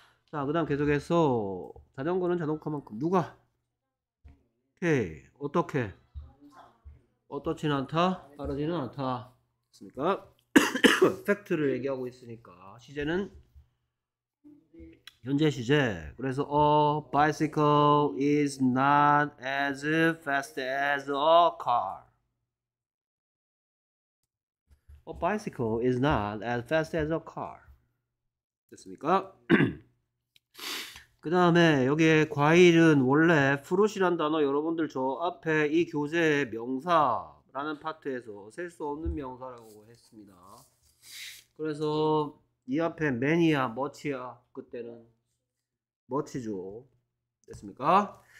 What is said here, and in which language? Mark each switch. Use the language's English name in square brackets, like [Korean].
[Korean] 자, 그 다음 계속해서 자전거는 자동차만큼 누가? 오케이, 어떻게? 어떻진 않다? 빠르지는 않다. 됐습니까? 팩트를 얘기하고 있으니까 시제는 현재 시제. [English] 그래서 a bicycle is not as fast as a car. A bicycle is not as fast as a car. [Korean] 됐습니까? 그다음에 여기에 과일은 원래 fruit이란 단어 여러분들 저 앞에 이 교재 명사라는 파트에서 셀수 없는 명사라고 했습니다. 그래서 이 앞에 many야, much야 그때는 멋지죠. 됐습니까?